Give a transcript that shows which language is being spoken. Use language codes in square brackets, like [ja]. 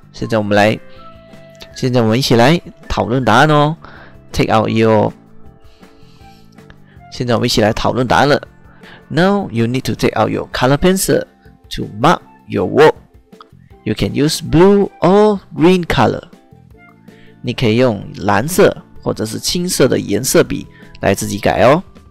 [zh] 现在我们一起来讨论答案哦。 [en] Take out your... [zh] 现在我们一起来讨论答案了。 [en] Now you need to take out your color pencil to markYour work. You can use blue or green color. [zh] 你可以用蓝色或者是青色的颜色笔来自己改哦。